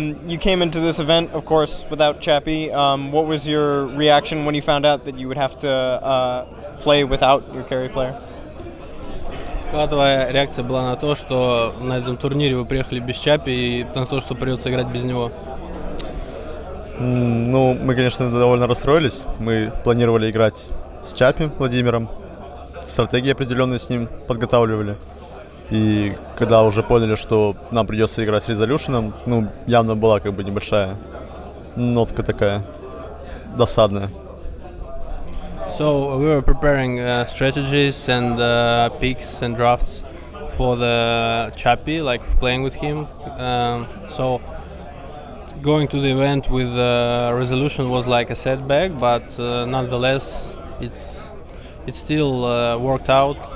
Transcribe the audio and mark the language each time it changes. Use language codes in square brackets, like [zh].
[en] You came into this event, of course, without Chappie. What was your reaction when you found out that you would have to play without your carry player? [ru] Твоя реакция была на то, что на этом турнире вы приехали без Чапи и на то, что придется играть без него? Ну, мы, конечно, довольно расстроились. Мы планировали играть с Чапи Владимиром, стратегии определенные с ним подготавливали. И когда уже поняли, что нам придется играть с Резолюшеном, ну, явно была как бы небольшая нотка такая досадная. [en] So we were preparing strategies and picks and drafts for the Chappie, like playing with him. So going to the event with Resolution was like a setback, but nonetheless, it still worked out.